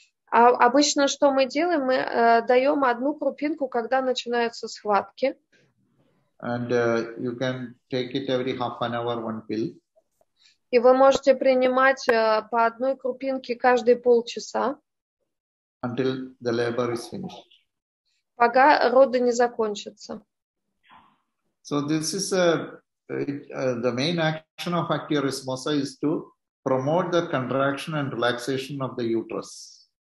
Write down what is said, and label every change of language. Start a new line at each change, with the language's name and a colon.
Russian: А обычно что мы делаем? Мы даем одну крупинку, когда начинаются схватки.
English: And you can take it every half an hour, one pill.
Russian: И вы можете принимать по одной крупинке каждые полчаса.
English: Until the labor is finished.
Russian: Пока роды не закончатся.
English: So this is the main action of actiorcemosa is to promote the contraction and relaxation of the uterus.